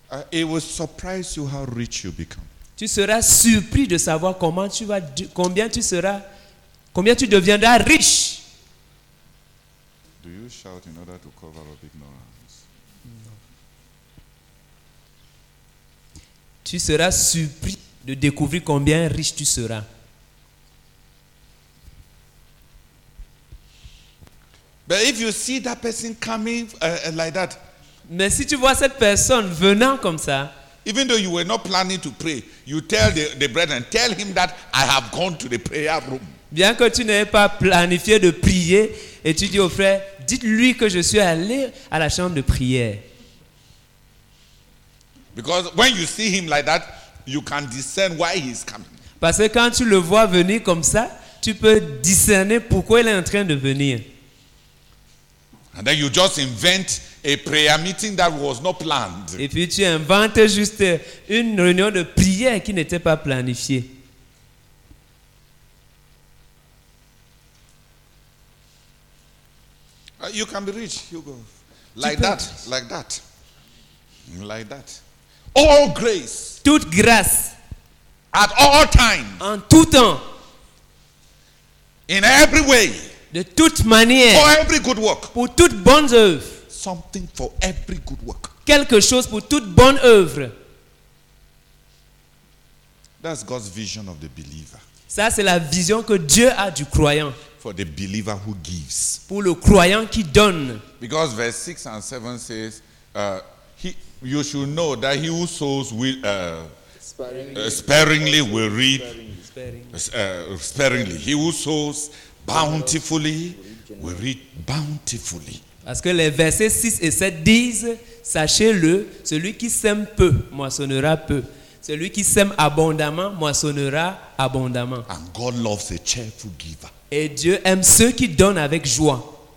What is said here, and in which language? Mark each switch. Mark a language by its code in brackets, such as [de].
[en] it will surprise you how rich you become. [fr] Tu seras surpris de savoir combien tu deviendras riche. [en] Do you shout in order to cover up ignorance? No. [fr] Tu seras surpris de découvrir combien riche tu seras. [en] But if you see that person coming like that, [fr] mais si tu vois cette personne venant comme ça, [en] even though you were not planning to pray, you tell the brethren, tell him that I have gone to the prayer room. [fr] Bien que tu n'aies pas planifié de prier, et tu dis au frère, dites-lui que je suis allé à la chambre de prière. [en] Because when you see him like that, you can discern why he is coming. [fr] Parce que quand tu le vois venir comme ça, tu peux discerner pourquoi il est en train de venir. [en] And then you just invent a prayer meeting that was not planned. [fr] Et puis tu inventes juste une réunion de prière qui n'était pas planifiée. [en] You can be rich, Hugo. Like that, like that. Like that. All grace. [fr] Toute grâce. [en] At all times. [fr] En tout temps. [en] In every way. [fr] De toute manière. [en] For every good work. [fr] Pour toute bonne œuvre. [en] Something for every good work. [fr] Quelque chose pour toute bonne œuvre. [en] That's God's vision of the believer. [fr] Ça, c'est la vision que Dieu a du croyant. [en] For the believer who gives. [fr] Pour le croyant qui donne. [en] Because verse 6 and 7 says, you should know that he who sows will sparingly will reap sparingly. He who sows bountifully will reap bountifully. [fr] Parce que les versets 6 et 7 disent, sachez-le, celui qui sème peu moissonnera peu. Celui qui sème abondamment moissonnera abondamment. [en] And God loves a cheerful giver. [fr] Et Dieu aime ceux qui donnent avec joie.